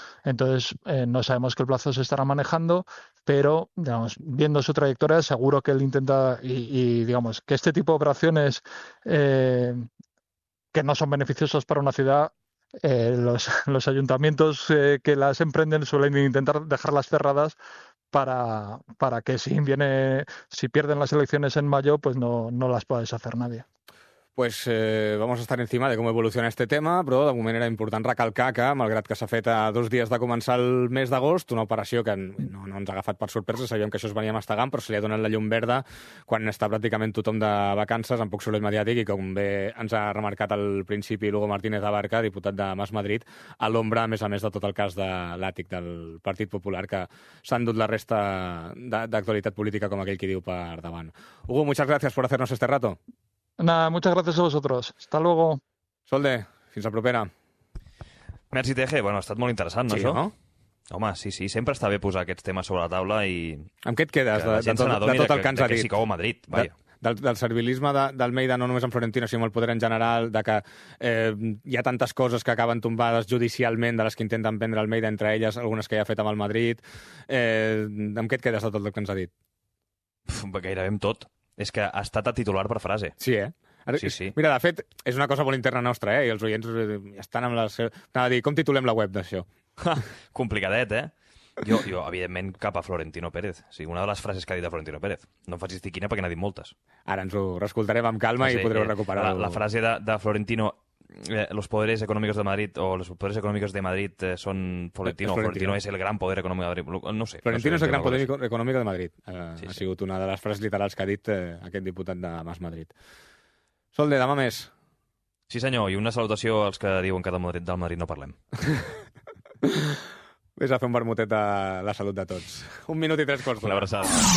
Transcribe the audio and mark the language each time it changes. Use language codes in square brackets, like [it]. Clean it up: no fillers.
[es] Entonces, no sabemos qué plazo se estará manejando, pero, digamos, viendo su trayectoria, seguro que él intenta, y digamos, que este tipo de operaciones que no son beneficiosas para una ciudad, los ayuntamientos que las emprenden suelen intentar dejarlas cerradas para que si pierden las elecciones en mayo, pues no las pueda deshacer nadie. Pues vamos a estar encima de [ca] com evoluciona este tema, però de moment era important recalcar que, malgrat que s'ha fet a dos dies de començar el mes d'agost, una operació que no ens ha agafat per sorpresa, sabíem que això es venia mastegant, però se li ha donat la llum verda quan està pràcticament tothom de vacances, amb poc soroll mediàtic, i com bé ens ha remarcat al principi Hugo Martínez Abarca, diputat de Mas Madrid, a l'ombra, a més de tot el cas de l'àtic del Partit Popular, que s'ha endut la resta d'actualitat política, com aquell qui diu, per davant. [es] Hugo, muchas gracias por hacernos este rato. Nada, muchas gracias a vosotros. Hasta luego. [ca] Solde, fins a propera. Merci, TG. Bueno, ha estat molt interessant, no, sí, això? No? Home, sí, sempre està bé posar aquests temes sobre la taula i... Amb què et quedes de tot el que ens ha dit? Que sí que ho a Madrid, vaja. Del servilisme d'Almeida, no només amb Florentino, sinó amb el poder en general, de que hi ha tantes coses que acaben tombades judicialment de les que intenten prendre Almeida, entre elles algunes que ja ha fet amb el Madrid. Amb què et quedes de tot el que ens ha dit? Gairebé amb tot. És que ha estat a titular per frase. Sí, eh? Ara, sí, sí. Mira, de fet, és una cosa molt interna nostra, eh? I els oients estan amb les... Anava a dir, com titulem la web d'això? Complicadet, eh? Jo, evidentment, cap a Florentino Pérez. Sí, una de les frases que ha dit de Florentino Pérez. No em facis dir quina, perquè n'ha dit moltes. Ara ens ho reescoltarem amb calma, sí, i podreu recuperar-ho. La frase de Florentino... [es] Los poderes económicos de Madrid o los poderes económicos de Madrid son Florentino. Florentino es el gran poder económico de Madrid. No sé. Florentino es el gran poder económico de Madrid. [ca] Sí, ha sigut una de les frases literals que ha dit aquest diputat de Mas Madrid. Solde, demà més. Sí, senyor, i una salutació als que diuen que del Madrid no parlem. Vés a fer un vermutet a la salut de tots. Un minut i tres quarts. Una abraçada.